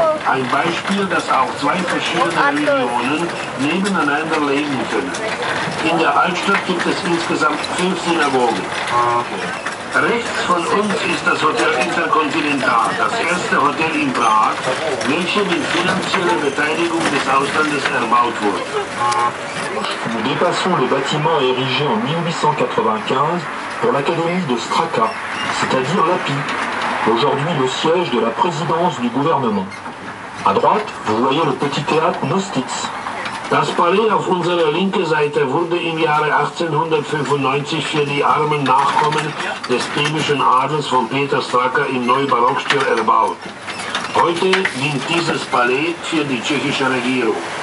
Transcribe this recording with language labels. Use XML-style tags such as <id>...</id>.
<de>Ein Beispiel, dass auch zwei verschiedene Religionen nebeneinander leben können. In der Altstadt gibt es insgesamt 5 Synagogen. Rechts von uns ist das Hotel Intercontinental, das erste Hotel in Prag, welches mit finanzieller Beteiligung des Auslandes erbaut wurde.</de> <fr>Nous dépassons le bâtiment érigé en 1895 pour l'académie de Straka, c'est-à-dire l'API, aujourd'hui le siège de la présidence du gouvernement. À droite, vous voyez le petit théâtre Nostitz.</fr> <de>Das Palais auf unserer linken Seite wurde im Jahre 1895 für die armen Nachkommen des dänischen Adels von Peter Straka im Neubarockstil erbaut. Heute dient dieses Palais für die tschechische Regierung.</de>